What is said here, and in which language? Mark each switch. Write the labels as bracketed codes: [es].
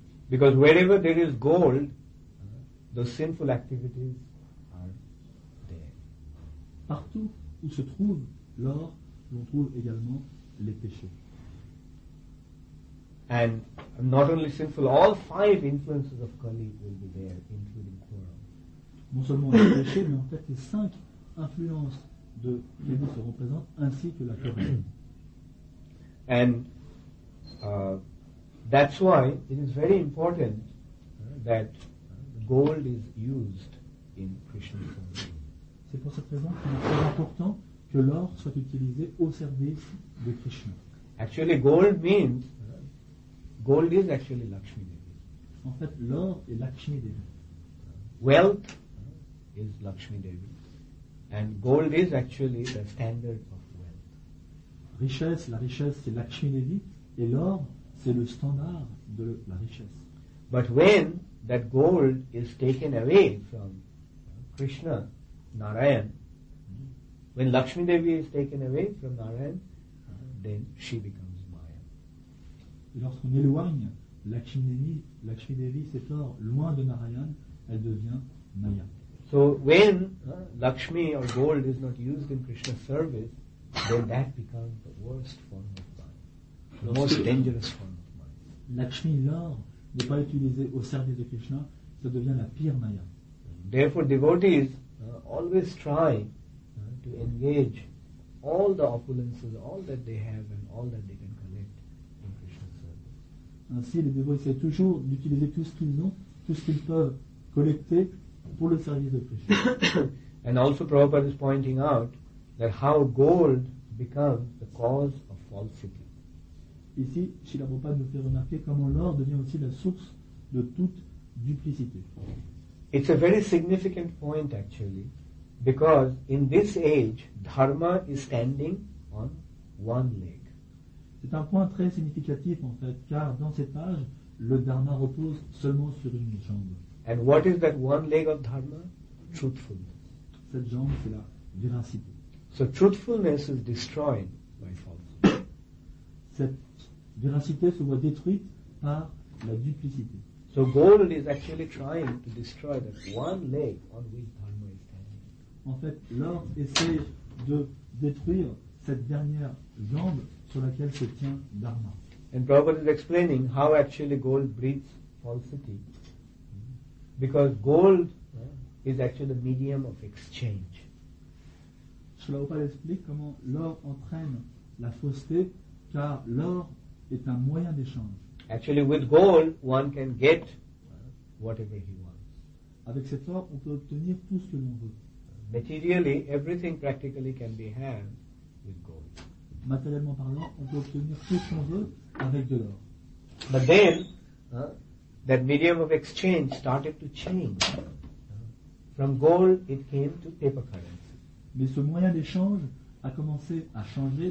[en] Because wherever there is gold, the sinful activities are there. [fr] Partout où se trouve l'or, l'on trouve également les péchés. [en] And not only sinful, all five influences of Kali will be there, including quarrel. [fr] Non seulement les péchés, mais en fait les cinq influences de Kali seront présentes, ainsi que la quarrel. [en] And that's why it is very important that gold is used in Krishna's service. [fr] C'est pour cette raison qu'il est très important que l'or soit utilisé au service de Krishna. [en] Actually, gold means gold is actually Lakshmi Devi. [fr] En fait, l'or est Lakshmi Devi. [en] Wealth is Lakshmi Devi, and gold is actually the standard of wealth. [fr] Richesse, la richesse, c'est Lakshmi Devi, et l'or, c'est le standard de la richesse. [en] But when that gold is taken away from Krishna, Narayan, when Lakshmi Devi is taken away from Narayan, then she becomes Maya. [fr] Et lorsqu'on éloigne Lakshmi Devi, cet or, loin de Narayan, elle devient Maya. [en] So when Lakshmi or gold is not used in Krishna's service, then that becomes the worst form of Maya, the most dangerous form. [fr] Lakshmi, l'or, n'est pas utilisé au service de Krishna, ça devient la pire maya. [en] Therefore, devotees always try to engage all the opulences, all that they have and all that they can collect in Krishna's service. [fr] Ainsi, les devotees essaient toujours d'utiliser tout ce qu'ils ont, tout ce qu'ils peuvent collecter pour le service de Krishna. [en] And also, Prabhupada is pointing out that how gold becomes the cause of falsity. [fr] Ici, Srila Prabhupada nous fait remarquer comment l'or devient aussi la source de toute duplicité. [en] It's a very significant point actually, because in this age, dharma is standing on one leg. [fr] C'est un point très significatif en fait, car dans cet âge, le dharma repose seulement sur une jambe. [en] And what is that one leg of dharma? Truthfulness. [fr] Cette jambe, c'est la véracité. [en] So truthfulness is destroyed by falsehood. [fr] Véracité se voit détruite par la duplicité. [en] So gold is actually trying to destroy that one leg on which dharma is standing. [fr] En fait, l'or essaie de détruire cette dernière jambe sur laquelle se tient dharma. [en] And Prabhupada is explaining how actually gold breeds falsity, because gold is actually the medium of exchange. [fr] Srila Prabhupada explique comment l'or entraîne la fausseté, car l'or est un moyen d'échange. [en] Actually, with gold, one can get whatever he wants. [fr] Avec cet or, on peut obtenir tout ce que l'on veut. [en] Materially, everything practically can be had with gold. [fr] Matériellement parlant, on peut obtenir tout ce qu'on veut avec de l'or. [en] But then, that medium of exchange started to change. From gold, it came to paper currency. [fr] Mais ce moyen d'échange a commencé à changer.